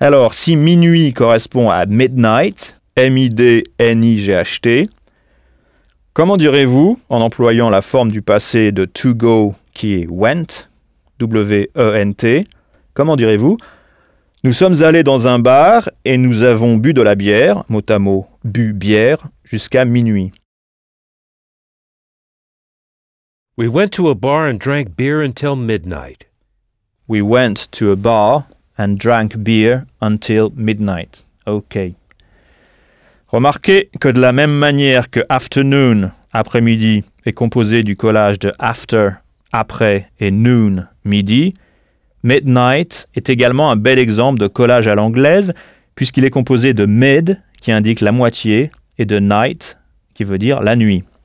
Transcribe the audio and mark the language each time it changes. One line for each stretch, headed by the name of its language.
French: Alors, si « minuit » correspond à « midnight », « M-I-D-N-I-G-H-T », comment direz-vous, en employant la forme du passé de « to go » qui est « went », W-E-N-T, comment direz-vous « Nous sommes allés dans un bar et nous avons bu de la bière, mot à mot, bu bière, jusqu'à minuit. »
English: We went to a bar and drank beer until midnight. We went to a bar and drank beer until midnight. OK.
French: Remarquez que de la même manière que « afternoon », après-midi, est composé du collage de « after », après et noon, midi, midnight est également un bel exemple de collage à l'anglaise puisqu'il est composé de mid qui indique la moitié et de night qui veut dire la nuit.